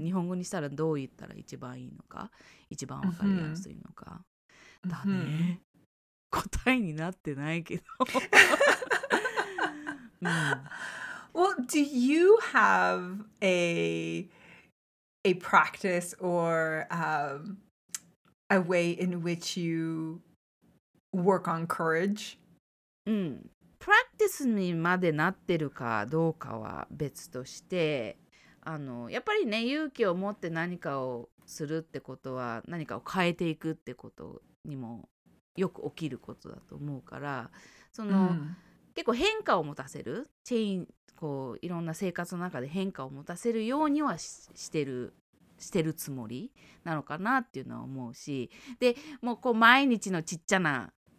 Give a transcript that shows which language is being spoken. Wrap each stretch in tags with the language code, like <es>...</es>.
<ja>日本語にしたらどう言ったら一番いいのか、一番わかりやすいのか。だね。答えになってないけど。</ja> <en>Well, do you have a practice or a way in which you... work on courage?</en> <ja>Practice にまでなってるかどうかは別として、やっぱりね、勇気を持って何かをするってことは何かを変えていくってことにもよく起きることだと思うから、その、うん、結構変化を持たせる、チェーン、こういろんな生活の中で変化を持たせるようには してるつもりなのかなっていうのは思うし、でもうこう毎日のちっちゃな</ja>